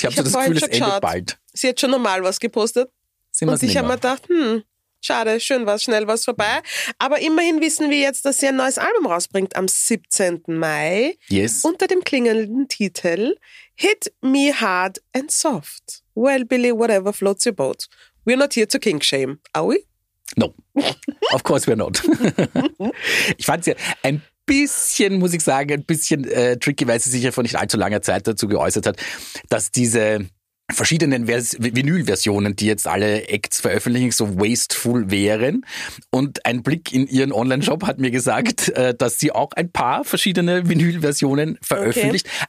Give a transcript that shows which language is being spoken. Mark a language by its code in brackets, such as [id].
[de] Ich habe so das Gefühl, es endet bald. Sie hat schon normal was gepostet. Sind und ich habe mir gedacht, schade, schön war es, schnell war es vorbei. Aber immerhin wissen wir jetzt, dass sie ein neues Album rausbringt am 17. Mai. [en] Yes. [de] Unter dem klingelnden Titel Hit Me Hard and Soft. [en] Well, Billy, whatever floats your boat. We're not here to kink shame, are we? No, of course we're not. [de] Ich fand es ja ein bisschen, muss ich sagen, ein bisschen tricky, weil sie sich ja vor nicht allzu langer Zeit dazu geäußert hat, dass diese verschiedenen Vinyl-Versionen, die jetzt alle Acts veröffentlichen, so wasteful wären. Und ein Blick in ihren Online-Shop hat mir gesagt, dass sie auch ein paar verschiedene Vinyl-Versionen veröffentlicht. Okay.